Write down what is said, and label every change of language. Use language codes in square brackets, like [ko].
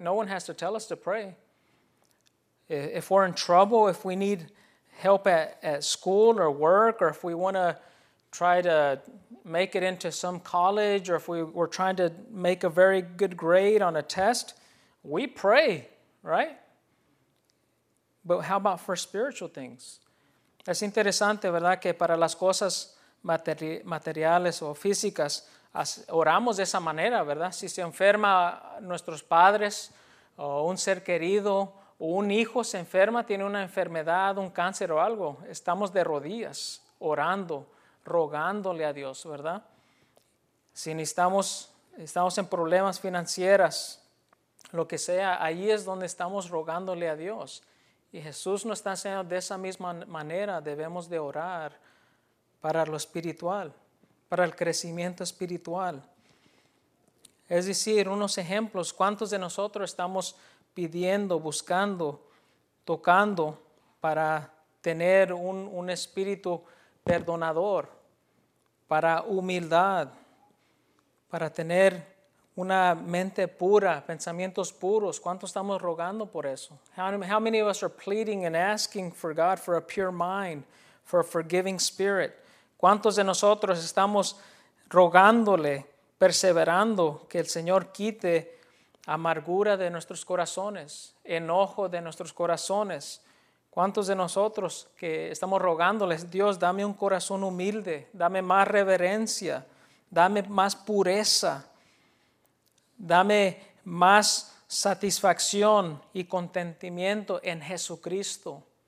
[en] No one has to tell us to pray. If we're in trouble, if we need help at school or work, or if we want to try to make it into some college, or if we were trying to make a very good grade on a test, we pray, right? But how about for spiritual things? [es] Es interesante, ¿verdad?, que para las cosas materiales o físicas, oramos de esa manera, ¿verdad? Si se enferma nuestros padres o un ser querido o un hijo se enferma, tiene una enfermedad, un cáncer o algo, estamos de rodillas orando, rogándole a Dios, ¿verdad? Si necesitamos, estamos en problemas financieros, lo que sea, ahí es donde estamos rogándole a Dios. Y Jesús nos está enseñando de esa misma manera, debemos de orar para lo espiritual, para el crecimiento espiritual. Es decir, unos ejemplos, ¿cuántos de nosotros estamos pidiendo, buscando, tocando para tener un espíritu perdonador, para humildad, para tener una mente pura, pensamientos puros? ¿Cuántos estamos rogando por eso? [en] How many of us are pleading and asking for God for a pure mind, for a forgiving spirit? [es] ¿Cuántos de nosotros estamos rogándole, perseverando que el Señor quite amargura de nuestros corazones, enojo de nuestros corazones? ¿Cuántos de nosotros que estamos rogándoles, Dios, dame un corazón humilde, dame más reverencia, dame más pureza, dame más satisfacción y contentamiento en Jesucristo?